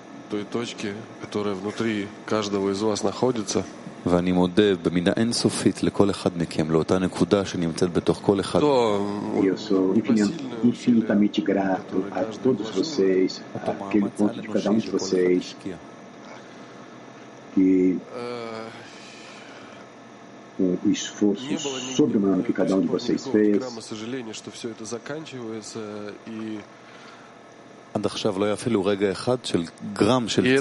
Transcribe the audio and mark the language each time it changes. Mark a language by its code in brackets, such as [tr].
[ru] Той точке, которая внутри каждого из вас находится. [he] ואני מודה במידה אינסופית לכל אחד מכם לאותה נקודה שנמצאת בתוך כל אחד. [pt] Eu sou infinitamente grato a todos vocês, àquele ponto de cada de vocês que o esforço sobre-humano que cada de vocês fez. Eu sou infinitamente grato a todos vocês, àquele ponto de cada de vocês que [he] עד עכשיו לא היה אפילו רגע אחד של גרם של